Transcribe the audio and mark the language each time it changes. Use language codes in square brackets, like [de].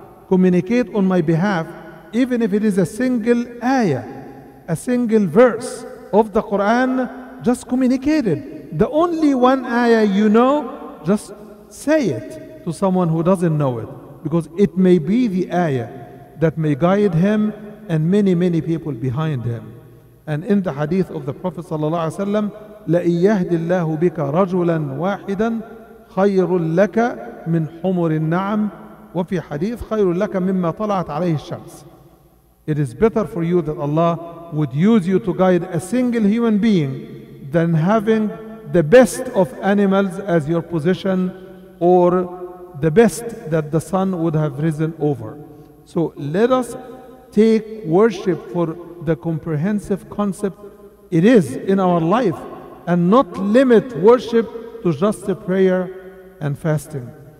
[en] Communicate on my behalf, even if it is a single ayah, a single verse of the Quran, just communicate it. The only one ayah you know, just say it to someone who doesn't know it, because it may be the ayah that may guide him and many, many people behind him. And in the hadith of the Prophet sallallahu alaihi wasallam, [ar] لَإِنْ يَهْدِ اللَّهُ بِكَ رَجُلًا وَاحِدًا خَيْرٌ لَكَ مِنْ حُمُرِ النَّعَمِ وَفِي حَدِيثٍ خَيْرٌ لَكَ مِمَّا طَلَعَتْ عَلَيْهِ الشَّمْسِ. [en] It is better for you that Allah would use you to guide a single human being than having the best of animals as your position, or the best that the sun would have risen over. So let us take worship for the comprehensive concept it is in our life, and not limit worship to just a prayer and fasting.